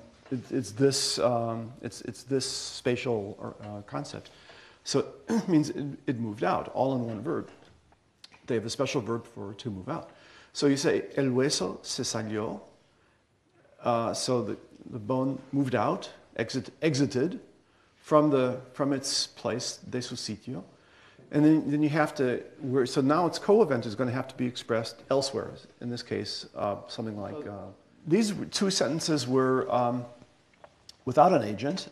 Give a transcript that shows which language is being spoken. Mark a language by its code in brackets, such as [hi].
[en] It's this spatial concept. So it means it moved out, all in one verb. They have a special verb for to move out. So you say, [es] el hueso se salió. [en] So the bone moved out, exited from its place, [es] de su sitio. [en] And then you have to, so now its co-event is going to have to be expressed elsewhere. In this case, something like, these two sentences were without an agent.